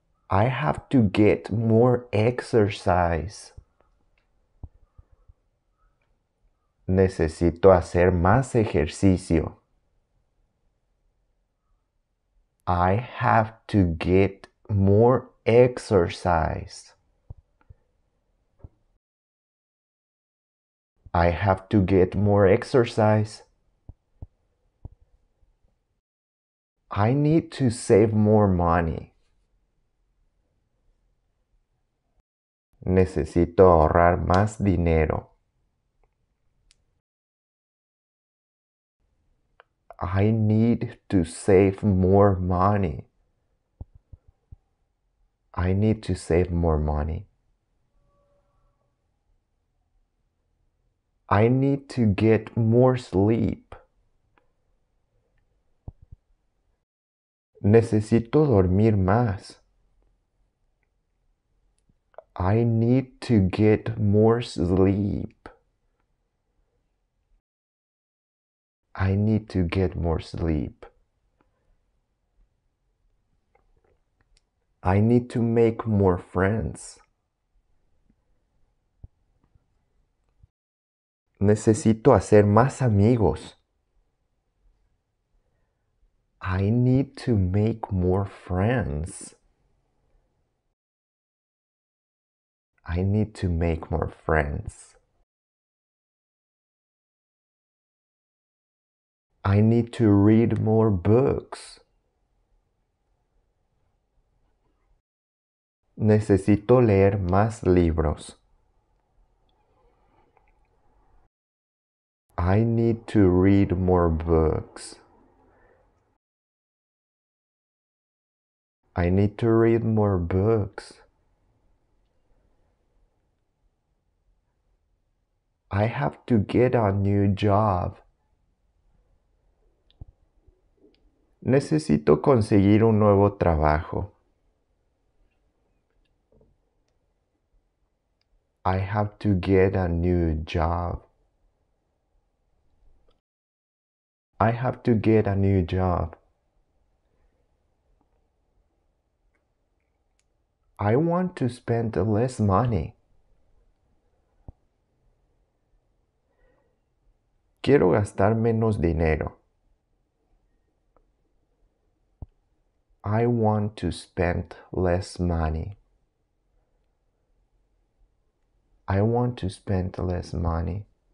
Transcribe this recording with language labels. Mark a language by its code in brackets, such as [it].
[en] I have to get more exercise. [es] Necesito hacer más ejercicio. [en] I have to get more exercise. I have to get more exercise. I need to save more money. [es] Necesito ahorrar más dinero. [en] I need to save more money. I need to save more money. I need to get more sleep. [es] Necesito dormir más. [en] I need to get more sleep. I need to get more sleep. I need to make more friends. [es] Necesito hacer más amigos. [en] I need to make more friends. I need to make more friends. I need to read more books. [es] Necesito leer más libros. [en] I need to read more books. I need to read more books. I have to get a new job. [es] Necesito conseguir un nuevo trabajo. [en] I have to get a new job. I have to get a new job. I want to spend less money. [es] Quiero gastar menos dinero. [en] I want to spend less money. I want to spend less money.